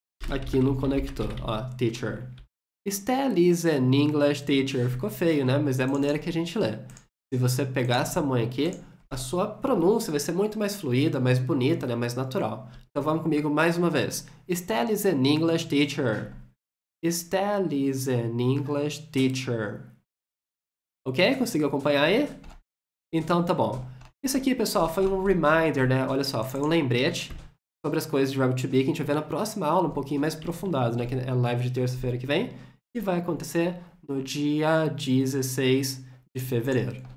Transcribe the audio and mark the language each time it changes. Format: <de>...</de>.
<pt>Aqui no conector, ó, teacher.</pt> <en>Stella is an English teacher.</en> <pt>Ficou feio, né? Mas é a maneira que a gente lê. Se você pegar essa mãe aqui, a sua pronúncia vai ser muito mais fluida, mais bonita, né? Mais natural. Então vamos comigo mais uma vez.</pt> <en>Stella is an English teacher. Stella is an English teacher. Ok?</en> <pt>Conseguiu acompanhar aí? Então tá bom. Isso aqui, pessoal, foi um reminder, né? Olha só, foi um lembrete sobre as coisas de Verbo to Be que a gente vai ver na próxima aula, um pouquinho mais aprofundado, né? Que é a live de terça-feira que vem, e vai acontecer no dia 16 de fevereiro.</pt>